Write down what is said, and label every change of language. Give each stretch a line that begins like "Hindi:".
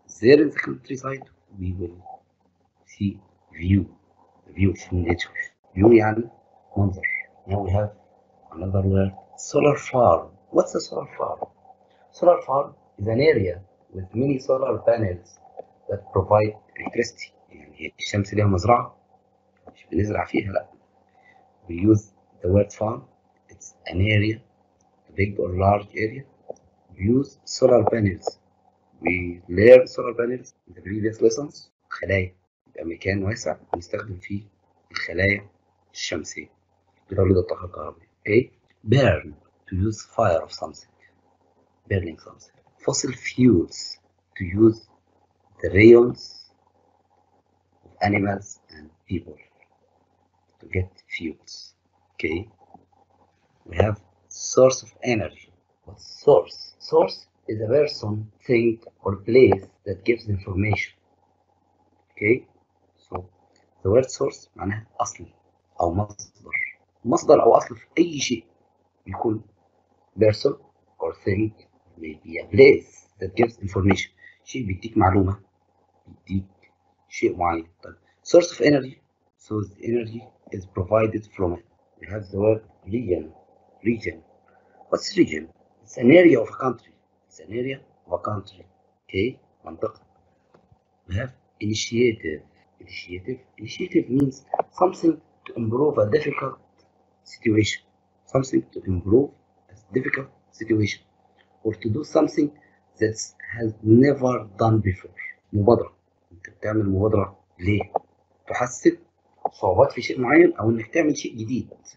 English: There in the countryside, we will see view, the view of nature. View
Arabic: يعني منظر.
English: Now we have another word, solar farm. What's a solar farm? Solar farm is an area with many solar panels that provide electricity.
Arabic: يعني هي الشمس ليها مزرعة مش بنزرع فيها لا.
English: We use the word farm. It's an area, a big or large area. Use solar panels. We learned solar panels in the previous lessons.
Arabic: خلايا يبقى مكان واسع بنستخدم فيه الخلايا الشمسية لتوليد الطاقة الكهربائية.
English: Okay. Burn to use fire of something. Burning something. Fossil fuels to use the rayons of animals and people to get fuels. Okay. We have source of energy. Source. Source is a person, thing, or place that gives information. Okay? So, the word source
Arabic: معناها أصل أو مصدر. مصدر أو أصل في أي شيء يكون
English: person or thing, maybe a place that gives information.
Arabic: شيء بيديك معلومة, بيديك شيء معين. طيب.
English: Source of energy. So, the energy is provided from it. We have the word region. Region. What's region? It's an area of a country. It's an area of a country. Okay?
Arabic: منطقة.
English: We have initiative. Initiative. Initiative means something to improve a difficult situation. Something to improve a difficult situation. Or to do something that has never done before.
Arabic: مبادرة. أنت بتعمل مبادرة ليه؟ تحسب صعوبات في شيء معين أو أنك تعمل شيء جديد.